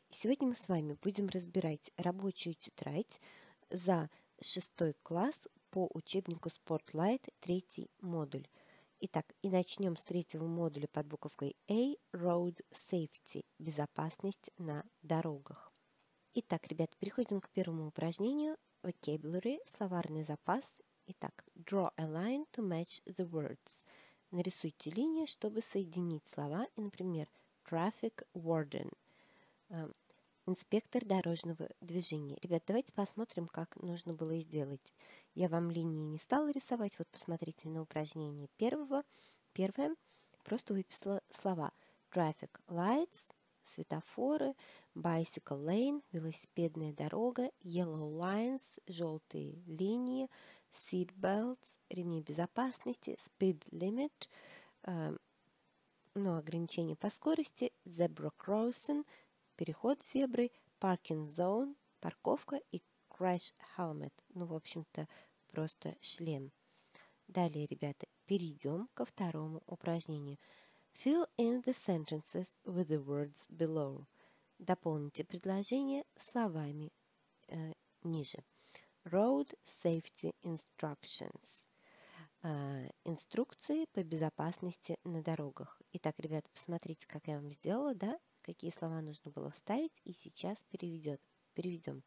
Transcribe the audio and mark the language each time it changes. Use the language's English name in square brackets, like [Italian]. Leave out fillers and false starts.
[Russian] Сегодня мы с вами будем разбирать рабочую тетрадь за 6 класс по учебнику Sportlight 3 модуль. Итак, и начнем с 3 модуля под буковкой A – [English] Road Safety [Russian] – безопасность на дорогах. Итак, ребят, переходим к первому упражнению – Vocabulary – словарный запас. [English] Итак, Draw a line to match the words. [Russian] Нарисуйте линию, чтобы соединить слова, и, например, [English] Traffic Warden, [Russian] инспектор дорожного движения. Ребят, давайте посмотрим, как нужно было сделать. Я вам линии не стала рисовать. Вот посмотрите на упражнение первого. Первое. Просто выписала слова. [English] Traffic lights, [Russian] светофоры, [English] bicycle lane, [Russian] велосипедная дорога, [English] yellow lines, [Russian] желтые линии, [English] seat belts, [Russian] ремни безопасности, [English] speed limit, [Russian] но ограничение по скорости, [English] zebra crossing, [Russian] переход зебры, [English] parking zone, [Russian] парковка и [English] crash helmet, [Russian] ну, в общем-то, просто шлем. Далее, ребята, перейдем ко второму упражнению. [English] Fill in the sentences with the words below. [Russian] Дополните предложение словами ниже. [English] Road safety instructions. [Russian] Инструкции по безопасности на дорогах. Итак, ребята, посмотрите, как я вам сделала, да? Какие слова нужно было вставить, и сейчас переведем.